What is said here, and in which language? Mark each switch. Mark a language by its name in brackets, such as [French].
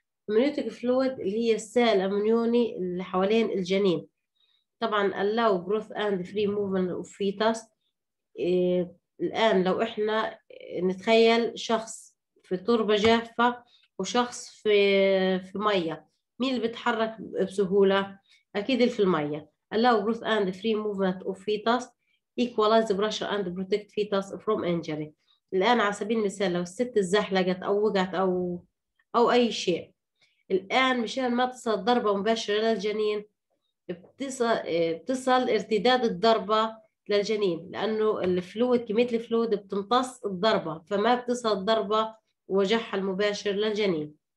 [Arabic] أمنيوتيك فلويد اللي هي السائل الأمنيوني اللي حوالين الجنين، طبعا [English] allow growth and free movement of fetus. [Arabic] الآن لو إحنا نتخيل شخص في تربة جافة وشخص في مية، مين اللي بيتحرك بسهولة؟ أكيد اللي في المية. [English] allow growth and free movement of fetus equalize pressure and protect fetus from injury. [Arabic] الآن على سبيل المثال لو الست اتزحلقت أو وقعت أو أي شيء، الآن مشان ما تصل ضربة مباشرة للجنين بتصل ارتداد الضربة للجنين، لأنه الفلويد كمية الفلويد بتمتص الضربة، فما بتصل الضربة وجعها المباشر للجنين.